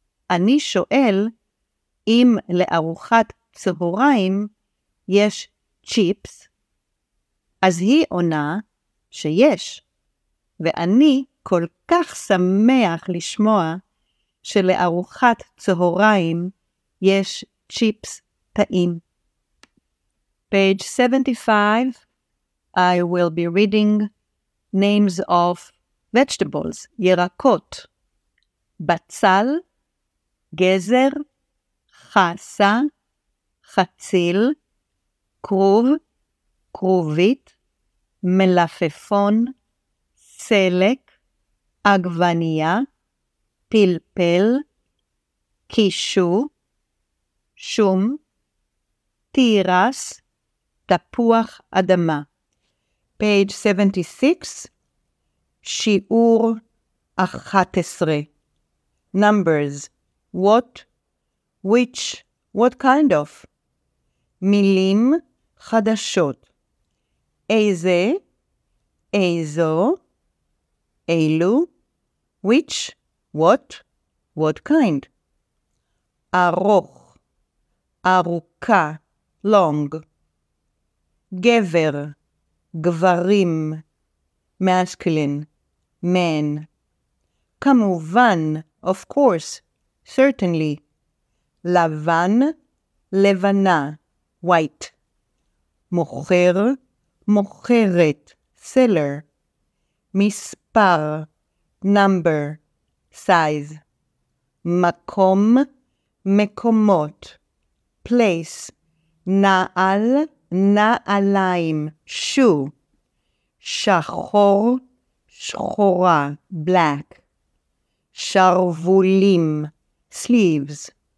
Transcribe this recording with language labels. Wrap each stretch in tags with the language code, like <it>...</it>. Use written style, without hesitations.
<he>אני שואל אם לארוחת צהריים יש צ'יפס? אז היא עונה שיש. ואני כל כך שמח לשמוע שלארוחת צהריים יש צ'יפס טעים.</he> <en>Page 75, I will be reading names of vegetables, ירקות.</en> <he>בצל, גזר, חסה, חציל, כרוב, כרובית, מלפפון, סלק, עגבניה, פלפל, קישו, שום, תירס, תפוח אדמה.</he> <en>Page 76,</en> <he>שיעור 11.</he> <en>Numbers, what, which, what kind of.</en> <he>מילים חדשות.</he> <en>איזה, איזו, אילו, which, what, what kind.</en> <he>ארוך, ארוכה, long. גבר, גברים, masculine, men.</he> <en>כמובן, of course, certainly.</en> <he>לבן, לבנה, white. מוכר, מוכרת, seller. מספר, number, size. מקום, מקומות,</he> <en>place.</en> <he>נעל, נעליים, shoe. שחור, שחורה, black.</he> <en>שרבולים, sleeves.</en>